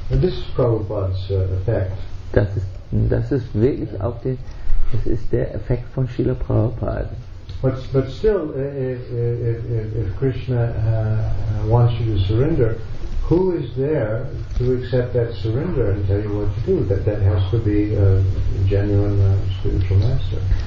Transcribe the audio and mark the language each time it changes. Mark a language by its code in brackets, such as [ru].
[en] This is Prabhupada's effect. [de] Das ist wirklich auch der Effekt von Srila Prabhupada. [en] But still, if Krishna wants you to surrender. Who is there to accept that surrender and tell you what to do? That has to be a genuine spiritual master.